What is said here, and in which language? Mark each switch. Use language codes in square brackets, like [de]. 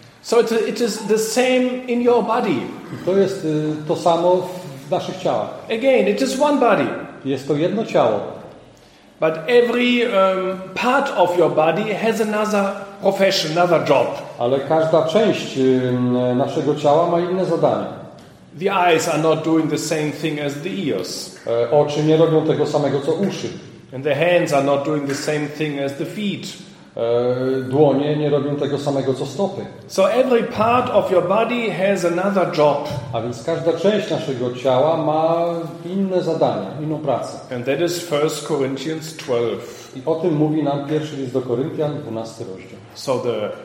[en] So it is the same in your body. [pl] I to jest to samo w naszych ciałach. [en] Again, it is one body. [pl] Jest to jedno ciało. [en] But every part of your body has another profession, another job. [pl] Ale każda część naszego ciała ma inne zadanie. [en] The eyes are not doing the same thing as the ears. [pl] Oczy nie robią tego samego co uszy. [en] And the hands are not doing the same thing as the feet. [pl] Dłonie nie robią tego samego co stopy. [en] So every part of your body has another job. [pl] A więc każda część naszego ciała ma inne zadanie, inną pracę. [en] And that is 1 Corinthians 12. [pl] I o tym mówi nam pierwszy list do Koryntian, 12 rozdział.